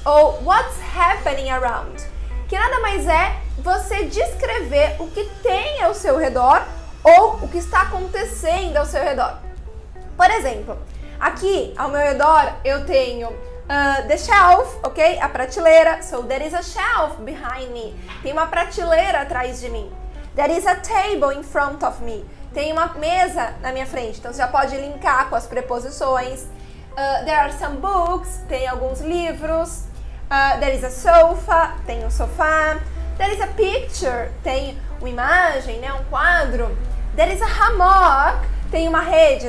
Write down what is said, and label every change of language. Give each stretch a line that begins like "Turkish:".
English: Ou what's happening around?
Portuguese: Que nada mais é você descrever o que tem ao seu redor ou o que está acontecendo ao seu redor. Por exemplo, aqui ao meu redor eu tenho
English: the shelf,
Portuguese: ok? A prateleira.
English: So there is a shelf behind me.
Portuguese: Tem uma prateleira atrás de mim.
English: There is a table in front of me.
Portuguese: Tem uma mesa na minha frente. Então você já pode linkar com as preposições.
English: There are some books.
Portuguese: Tem alguns livros.
English: There is a sofa.
Portuguese: Tem um sofá.
English: There is a picture.
Portuguese: Tem uma imagem, né? Um quadro.
English: There is a hammock.
Portuguese: Tem uma rede.